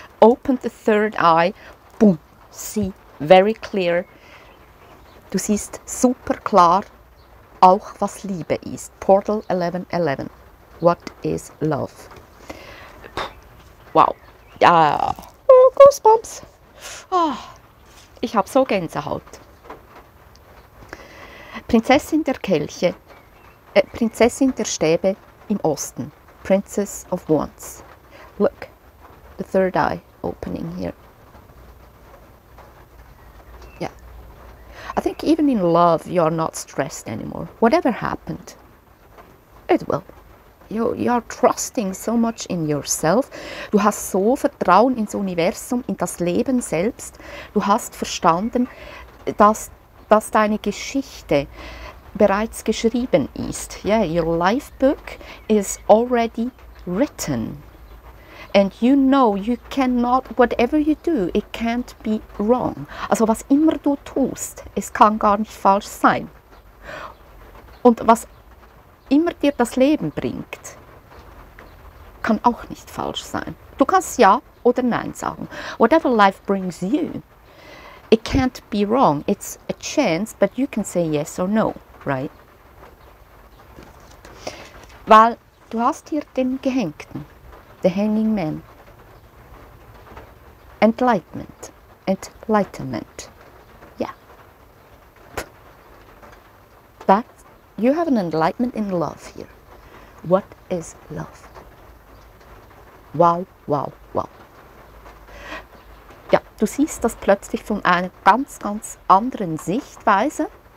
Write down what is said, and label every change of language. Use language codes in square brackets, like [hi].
[en] Open the third eye, boom, see, very clear. [de] Du siehst super klar, auch was Liebe ist. [en] Portal 1111, what is love? Wow, oh, Goosebumps. [de] Oh, ich habe so Gänsehaut. Prinzessin der Kelche, Prinzessin der Stäbe im Osten. [en] Princess of Wands. Look, the third eye opening here. Yeah. I think even in love, you are not stressed anymore. Whatever happened, it will. You are trusting so much in yourself. [de] Du hast so Vertrauen ins Universum, in das Leben selbst. Du hast verstanden, dass deine Geschichte bereits geschrieben ist. [en] Yeah, your life book is already written. And you know, you cannot, whatever you do, it can't be wrong. [de] Also was immer du tust, es kann gar nicht falsch sein. Und was immer dir das Leben bringt, kann auch nicht falsch sein. Du kannst ja oder nein sagen. [en] Whatever life brings you, it can't be wrong. It's a chance, but you can say yes or no. Right? [de] Weil du hast hier den Gehängten, [en] the hanging man, enlightenment, yeah, that, you have an enlightenment in love here, what is love, wow, [de] ja, du siehst das plötzlich von einer ganz, ganz anderen Sichtweise.